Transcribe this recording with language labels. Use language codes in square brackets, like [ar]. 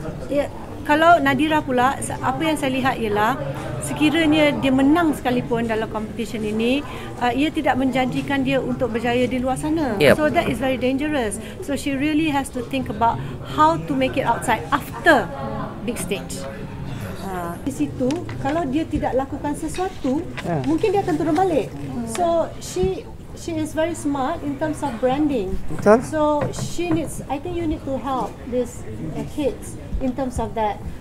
[ms] Ya, kalau Nadira pula, apa yang saya lihat ialah sekiranya dia menang sekalipun dalam competition ini, ia tidak menjanjikan dia untuk berjaya di luar sana. [en] Yep. So that is very dangerous. So she really has to think about how to make it outside after big stage. [ms] Di situ, kalau dia tidak lakukan sesuatu, mungkin dia akan turun balik. [en] So she is very smart in terms of branding. [ms] Betul. [en] So she needs, I think you need to help this kids in terms of that.